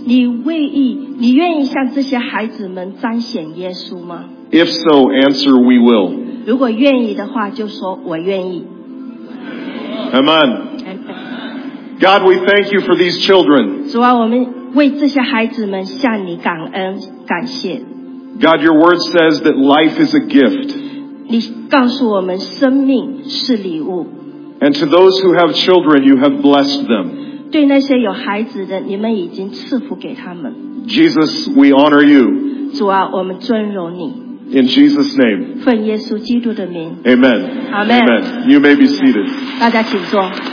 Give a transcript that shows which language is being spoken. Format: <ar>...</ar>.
<zh>你愿意向这些孩子们彰显耶稣吗？</zh> <en>If so, answer we will.</en> <zh>如果愿意的话，就说我愿意。</zh> <en>Amen. God, we thank you for these children.</en> <zh>主啊，我们为这些孩子们向你感恩感谢。</zh> <en>God, your word says that life is a gift.</en> <zh>你告诉我们生命是礼物。</zh> <en>And to those who have children, you have blessed them.</en> <zh>对那些有孩子的，你们已经赐福给他们。</zh> <en>Jesus, we honor you.</en> <zh>主啊，我们尊荣你。</zh> <en>In Jesus' name.</en> <zh>奉耶稣基督的名。</zh> <en>Amen. Amen. Amen. You may be seated.</en> <zh>大家请坐。</zh>